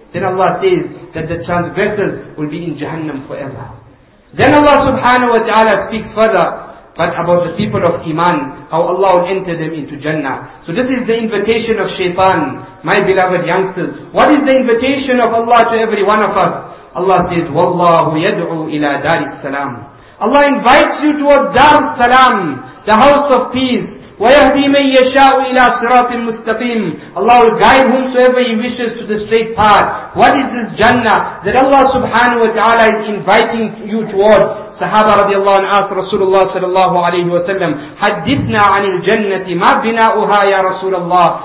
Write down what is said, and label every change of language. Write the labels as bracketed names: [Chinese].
[English] Then Allah says that the transgressors will be in Jahannam forever. Then Allah subhanahu wa ta'ala speaks further, but about the people of Iman, how Allah will enter them into Jannah. So this is the invitation of Shaytan, my beloved youngsters. What is the invitation of Allah to every one of us? Allah says, [Arabic] وَاللَّهُ يَدْعُوا إِلَىٰ دَارِ السَّلَامِ. [English] Allah invites you towards Dar Salam, the house of peace. [Arabic] وَيَهْدِي مَنْ يَشَاءُ إِلَىٰ صِرَاطٍ مُسْتَقِيمٍ. [English] Allah will guide whomsoever He wishes to the straight path. What is this Jannah that Allah subhanahu wa ta'ala is inviting you towards? Sahaba radiallahu anhu asked Rasulullah sallallahu alayhi wa sallam, [Arabic] حَدِّثْنَا عَنِ الْجَنَّةِ مَا بِنَاؤُهَا يَا رَسُولَ اللَّهِ.